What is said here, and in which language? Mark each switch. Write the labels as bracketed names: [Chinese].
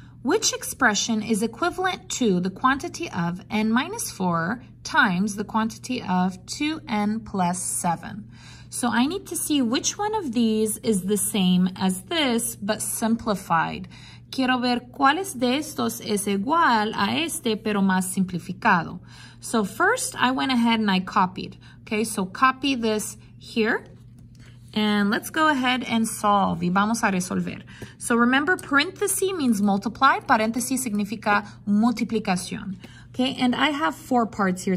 [English] Which expression is equivalent to the quantity of n minus 4 times the quantity of 2n plus 7? So I need to see which one of these is the same as this, but simplified. [Spanish] Quiero ver cuáles de estos es igual a este, pero más simplificado. [English] So first, I went ahead and I copied. Okay, so copy this here. And let's go ahead and solve. [Spanish] Y vamos a resolver. [English] So remember, parenthesis means multiply. [Spanish] Parenthesis significa multiplicación. [English] Okay, and I have four parts here.